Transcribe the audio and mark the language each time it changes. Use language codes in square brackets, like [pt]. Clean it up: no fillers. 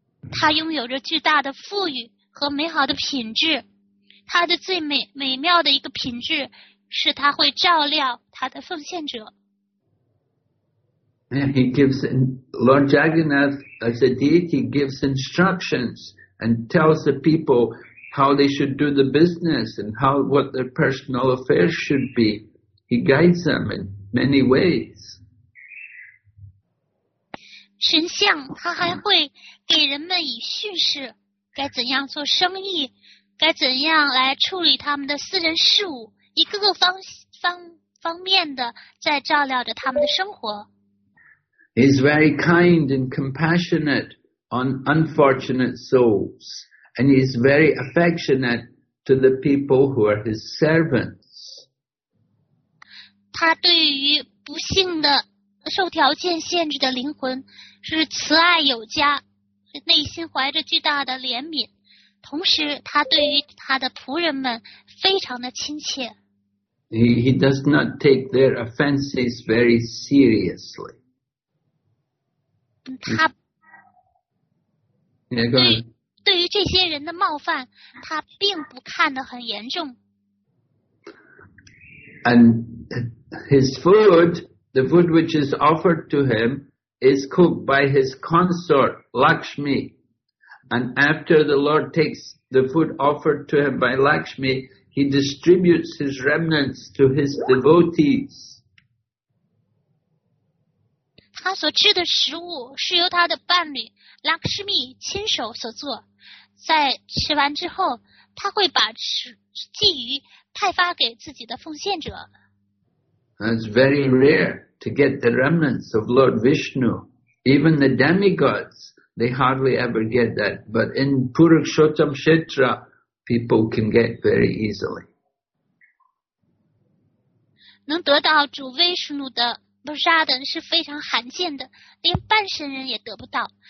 [zh] 他拥有着巨大的富裕和美好的品质。他的最美妙的一个品质是他会照料他的奉献者。 [en] And he gives, Lord Jagannath, as a deity, gives instructions and tells the people how they should do the business and how what their personal affairs should be. He guides them in many ways. [zh] 神像他还会给人们以叙事，该怎样做生意，该怎样来处理他们的私人事务，一个个方面的在照料着他们的生活。 [en] He's very kind and compassionate on unfortunate souls, and he's very affectionate to the people who are his servants. [zh] 他对于不幸的受条件限制的灵魂是慈爱有加，内心怀着巨大的怜悯，同时他对于他的仆人们非常的亲切。 [en] He does not take their offenses very seriously. [zh] 他 对于这些人的冒犯，他并不看得很严重。 [en] And his food, the food which is offered to him,is cooked by his consort, Lakshmi. And after the Lord takes the food offered to him by Lakshmi, he distributes his remnants to his devotees. [zh] 他所吃的食物是由他的伴侣 Lakshmi 亲手所做。在吃完之后，他会把鲫鱼派发给自己的奉献者。 [en] That's very rare. To get the remnants of Lord Vishnu. Even the demigods, they hardly ever get that. But in Purukshottam Kshetra, people can get very easily. [zh] 能得到主 Vishnu 的 Prasada 是非常罕见的，连半神人也得不到。